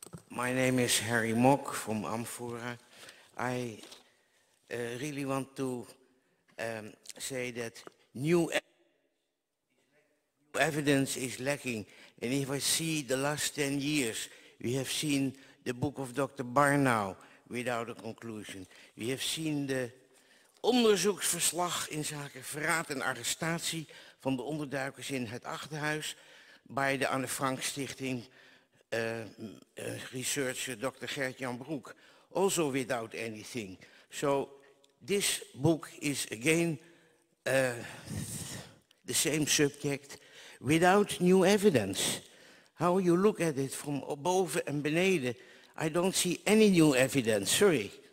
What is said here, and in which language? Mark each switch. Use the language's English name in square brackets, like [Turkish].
[English] My name is Harry Mok from Amfora. I really want to say that new evidence is lacking. And if I see the last 10 years, we have seen the book of Dr. Barnau without a conclusion. We have seen the [Dutch] onderzoeksverslag in zaken verraad en arrestatie van de onderduikers in het achterhuis bij de Anne Frank Stichting researcher Dr. [English] Gert-Jan Broek. Also without anything. So this book is again the same subject without new evidence. How you look at it from above and beneden, I don't see any new evidence, sorry.